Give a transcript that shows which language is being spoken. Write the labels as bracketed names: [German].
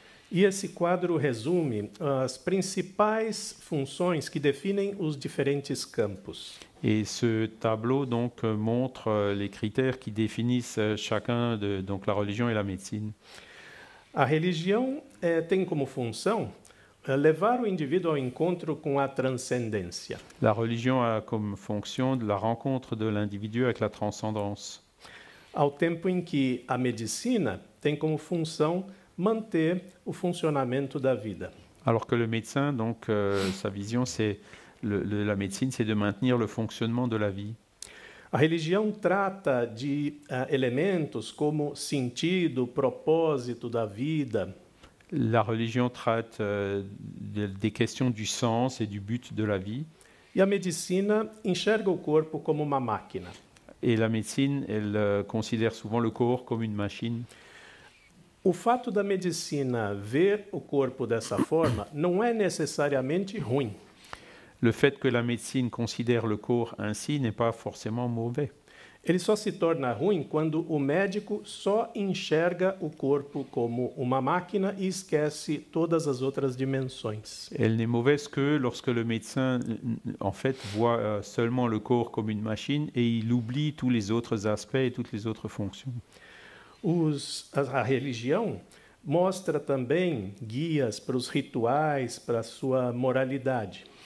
[Portuguese] E esse quadro resume as principais funções que definem os diferentes campos. E esse [French] tableau donc montre les critères qui définissent chacun de donc la religion et la médecine. [Portuguese] A religião tem como função levar o indivíduo ao encontro com a transcendência. [French] La religion a comme fonction de la rencontre de l'individu avec la transcendance. [Portuguese] Ao tempo em que a medicina tem como função manter o funcionamento da vida. [French] Alors que le médecin donc sa vision c'est la médecine c'est de maintenir le fonctionnement de la vie. [Portuguese] A religião trata de elementos como sentido, propósito da vida. [French] La religion traite des questions du sens et du but de la vie. [Portuguese] E a medicina enxerga o corpo como uma máquina. [French] Et la médecine elle considère souvent le corps comme une machine. [Portuguese] O fato da medicina ver o corpo dessa forma não é necessariamente ruim. [French] Le fait que la médecine considère le corps ainsi n'est pas forcément mauvais. [Portuguese] Ele só se torna ruim quando o médico só enxerga o corpo como uma máquina e esquece todas as outras dimensões. [French] Elle n'est mauvaise que lorsque le médecin en fait voit seulement le corps comme une machine et il oublie tous les autres aspects et toutes les autres fonctions. [Portuguese] A religião mostra também guias para os rituais, para a sua moralidade.